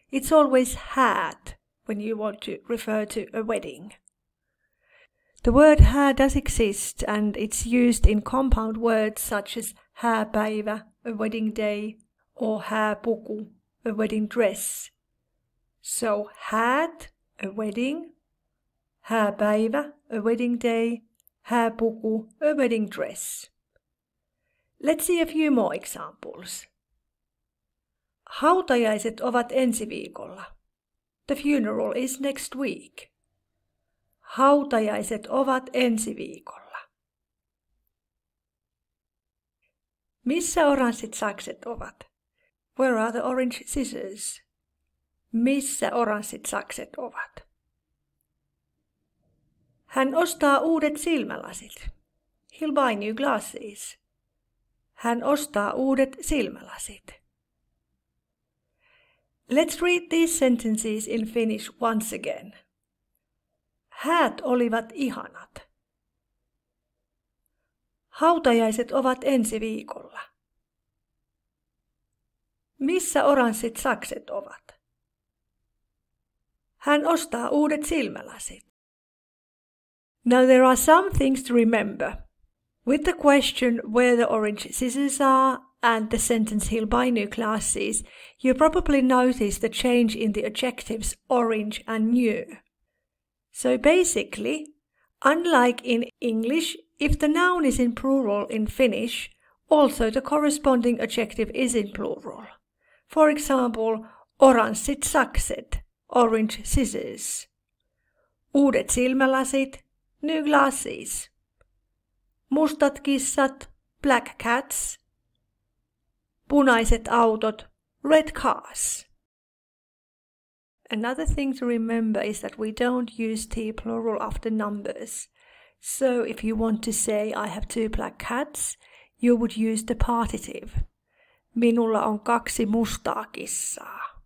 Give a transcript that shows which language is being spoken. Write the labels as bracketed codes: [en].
[en] It's always häät when you want to refer to a wedding. The word hä does exist and it's used in compound words such as hääpäivä, a wedding day, or hääpuku, a wedding dress. So häät, a wedding, hääpäivä, a wedding day, hääpuku, a wedding dress. Let's see a few more examples. [fi] Hautajaiset ovat ensi viikolla. [en] The funeral is next week. [fi] Hautajaiset ovat ensi viikolla. Missä oranssit sakset ovat? [en] Where are the orange scissors? [fi] Missä oranssit sakset ovat? Hän ostaa uudet silmälasit. [en] He'll buy new glasses. [fi] Hän ostaa uudet silmälasit. [en] Let's read these sentences in Finnish once again. [fi] Häät olivat ihanat. Hautajaiset ovat ensi viikolla. Missä oranssit sakset ovat? Hän ostaa uudet silmälasit. [en] Now there are some things to remember. With the question where the orange scissors are and the sentence he'll buy new glasses, you probably notice the change in the adjectives orange and new. So basically, unlike in English, if the noun is in plural in Finnish, also the corresponding adjective is in plural. For example, oranssit sakset, orange scissors. Uudet silmälasit, new glasses. Mustat kissat, black cats. Punaiset autot, red cars. Another thing to remember is that we don't use T-plural after numbers. So if you want to say, I have two black cats, you would use the partitive. [fi] Minulla on kaksi mustaa kissaa.